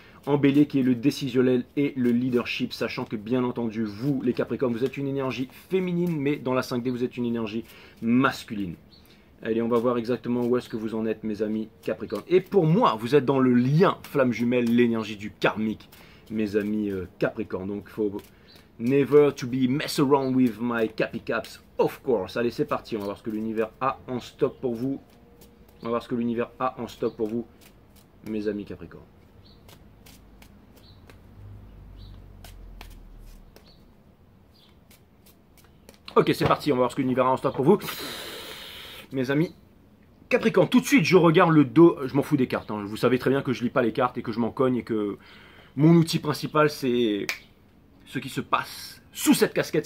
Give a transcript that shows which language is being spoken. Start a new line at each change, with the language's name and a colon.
French: en bélier qui est le décisionnel et le leadership, sachant que bien entendu, vous, les Capricornes, vous êtes une énergie féminine, mais dans la 5D, vous êtes une énergie masculine. Allez, on va voir exactement où est-ce que vous en êtes, mes amis Capricornes. Et pour moi, vous êtes dans le lien flamme jumelle, l'énergie du karmique, mes amis Capricornes. Donc, faut
English: never to be mess around with my Capicaps, of course.
French: Allez, c'est parti, on va voir ce que l'univers a en stock pour vous. On va voir ce que l'univers a en stock pour vous, mes amis Capricornes. Ok, c'est parti, on va voir ce que l'univers a en stock pour vous. Mes amis Capricorne, tout de suite je regarde le dos, je m'en fous des cartes, hein. Vous savez très bien que je lis pas les cartes et que je m'en cogne et que mon outil principal c'est ce qui se passe sous cette casquette.